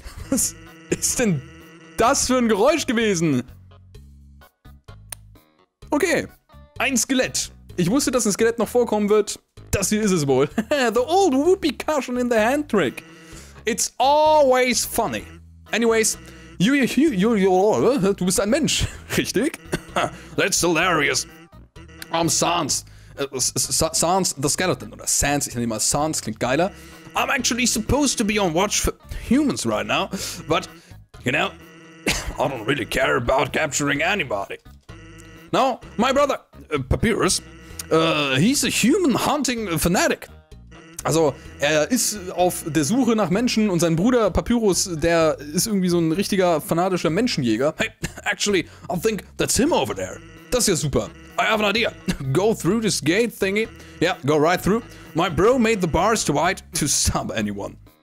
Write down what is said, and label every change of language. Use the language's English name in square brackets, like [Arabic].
[German] Was ist denn das für ein Geräusch gewesen? Okay, ein Skelett. Ich wusste, dass ein Skelett noch vorkommen wird. Das hier ist es wohl. [English] The old whoopee cushion in the hand trick. It's always funny. Anyways, [German] du bist ein Mensch, richtig? [English] That's hilarious. I'm Sans. Sans the Skeleton. [German] Oder Sans, ich nenne mal Sans, klingt geiler. [English] I'm actually supposed to be on watch for humans right now. But, you know, I don't really care about capturing anybody. Now, my brother, Papyrus, he's a human-hunting fanatic. [German] Also, er ist auf der Suche nach Menschen und sein Bruder Papyrus, der ist irgendwie so ein richtiger fanatischer Menschenjäger. [English] Hey, actually, I think that's him over there. [German] Das ist ja super. [English] I have an idea. Go through this gate thingy. Yeah, go right through. My bro made the bars too wide to stop anyone.